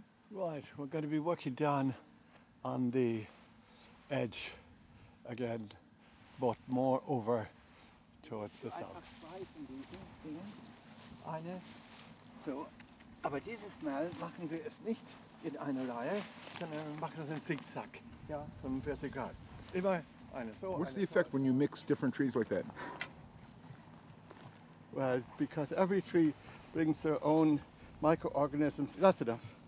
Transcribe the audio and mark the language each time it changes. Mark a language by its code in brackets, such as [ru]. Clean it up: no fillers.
[en] Right, we're going to be working down on the edge again, but more over towards the south. [de] So, aber dieses Mal machen wir es nicht in einer Reihe, sondern wir machen es in Zigzag. Ja, 45 Grad. Immer eine so. [en] What's the effect when you mix different trees like that? Well, because every tree brings their own microorganisms. That's enough.